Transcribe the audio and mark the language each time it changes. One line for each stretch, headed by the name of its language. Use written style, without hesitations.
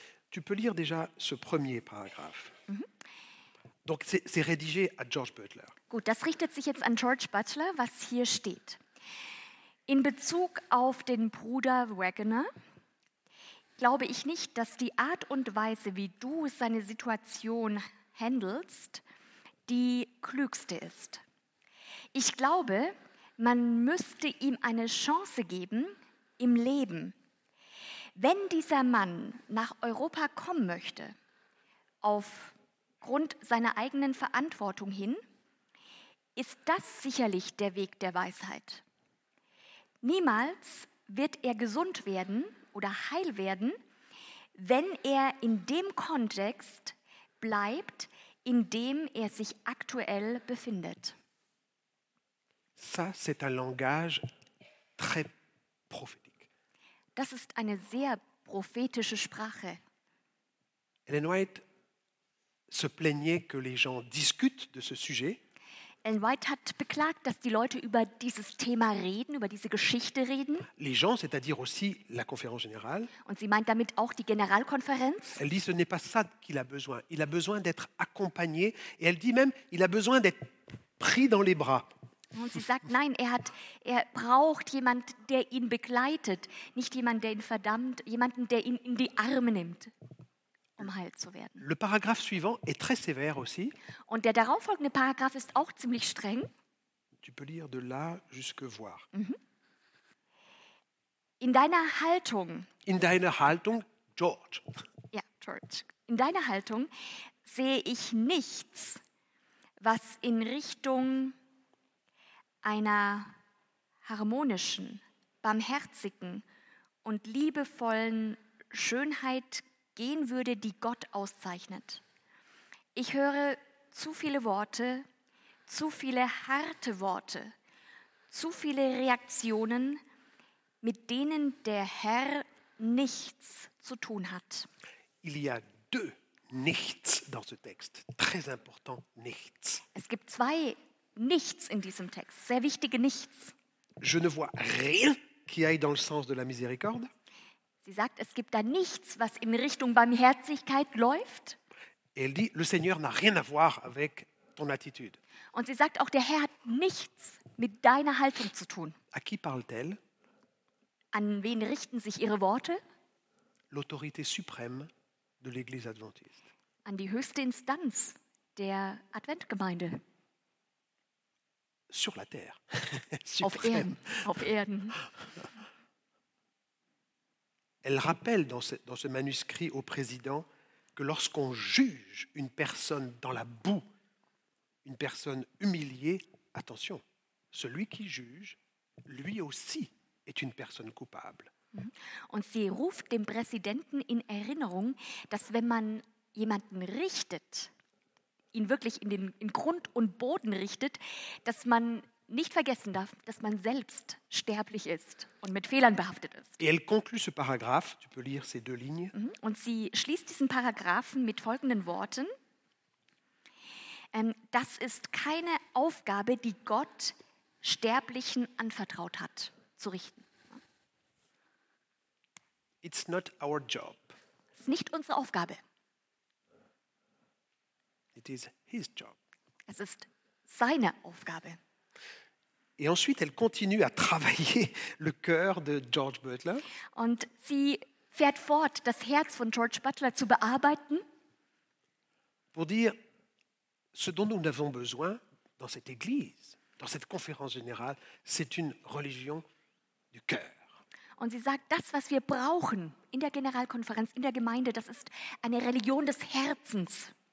French: Tu peux lire déjà ce premier paragraphe. Donc c'est rédigé à George Butler.
German: Gut, das richtet sich jetzt an George Butler, was hier steht. In Bezug auf den Bruder Wagoner glaube ich nicht, dass die Art und Weise, wie du seine Situation handelst, die klügste ist. Ich glaube, man müsste ihm eine Chance geben im Leben. Wenn dieser Mann nach Europa kommen möchte, aufgrund seiner eigenen Verantwortung hin, ist das sicherlich der Weg der Weisheit. Niemals wird er gesund werden oder heil werden, wenn er in dem Kontext bleibt, in dem er sich aktuell befindet.
French: Ça, c'est un langage très prophétique.
German: Das ist eine sehr prophetische Sprache.
French: Ellen White se plaignait que les gens discutent de ce sujet.
German: Ellen White hat beklagt, dass die Leute über dieses Thema reden, über diese Geschichte reden.
French: Les gens, c'est-à-dire aussi la conférence générale.
German: Und sie meint damit auch die Generalkonferenz.
French: Elle dit, ce n'est pas ça qu'il a besoin. Il a besoin d'être accompagné. Et elle dit même, il a besoin d'être pris dans les bras.
German: Und sie sagt, nein, er braucht jemand, der ihn begleitet, nicht jemand, der ihn verdammt, jemanden, der ihn in die Arme nimmt. Um heil zu werden.
French: Le paragraphe suivant est très sévère aussi.
German: Und der darauffolgende Paragraph ist auch ziemlich streng.
French: Tu peux lire de là jusque voir.
German: In deiner Haltung. In deiner Haltung, George. Ja, George. In deiner Haltung sehe ich nichts, was in Richtung einer harmonischen, barmherzigen und liebevollen Schönheit gehen würde, die Gott auszeichnet. Ich höre zu viele Worte, zu viele harte Worte, zu viele Reaktionen, mit denen der Herr nichts zu tun hat.
French: Il y a deux nichts dans ce texte. Très important, nichts.
German: Es gibt zwei nichts in diesem Text, sehr wichtige nichts.
French: Je ne vois rien qui aille dans le sens de la miséricorde.
German: Sie sagt, es gibt da nichts, was in Richtung Barmherzigkeit läuft.
French: Elle dit, le Seigneur n'a rien à voir avec ton attitude.
German: Und sie sagt auch, der Herr hat nichts mit deiner Haltung zu tun.
French: À qui parle-t-elle?
German: An wen richten sich ihre Worte?
French: L'autorité suprême de l'Église adventiste.
German: An die höchste Instanz der Adventgemeinde.
French: Sur la terre.
German: Auf Erden.
French: Elle rappelle dans ce manuscrit au président que lorsqu'on juge une personne dans la boue, une personne humiliée, attention, celui qui juge, lui aussi est une personne coupable.
German: Und sie ruft dem Präsidenten in Erinnerung, dass wenn man jemanden richtet, ihn wirklich in Grund und Boden richtet, dass man nicht vergessen darf, dass man selbst sterblich ist und mit Fehlern behaftet ist.
French: Et elle conclut ce paragraphe, tu peux lire ces deux lignes.
German: Und sie schließt diesen Paragraphen mit folgenden Worten. Das ist keine Aufgabe, die Gott Sterblichen anvertraut hat, zu richten.
English: It's not our job.
German: Es ist nicht unsere Aufgabe.
English: It is his job.
German: Es ist seine Aufgabe.
French: Et ensuite, elle continue à travailler le cœur de George Butler.
German: Und sie fährt fort, das Herz von George Butler zu bearbeiten.
French: Pour dire ce dont nous avons besoin dans cette église, dans cette conférence générale, c'est une religion du cœur.
German: Und sie sagt, das, was wir brauchen in der Generalkonferenz, in der Gemeinde, das ist eine Religion des Herzens.